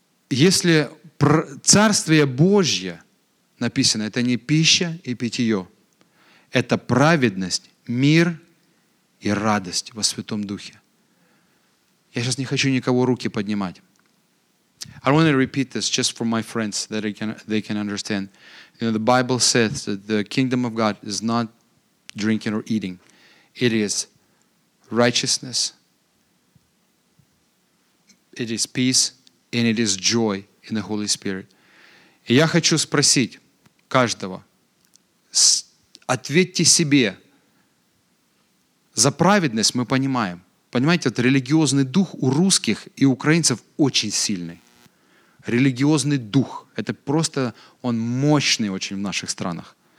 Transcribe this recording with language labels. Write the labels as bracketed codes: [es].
[ru] Если Царствие Божье написано, это не пища и питье, это праведность, мир и радость во Святом Духе. Я сейчас не хочу никого руки поднимать. [en] I want to repeat this just for my friends that they can understand. You know, the Bible says that the kingdom of God is not drinking or eating. It is righteousness. It is peace and it is joy in the Holy Spirit. [ru] И я хочу спросить каждого, ответьте себе. За праведность мы понимаем. Понимаете, вот религиозный дух у русских и украинцев очень сильный. Религиозный дух. Это просто, он мощный очень в наших странах.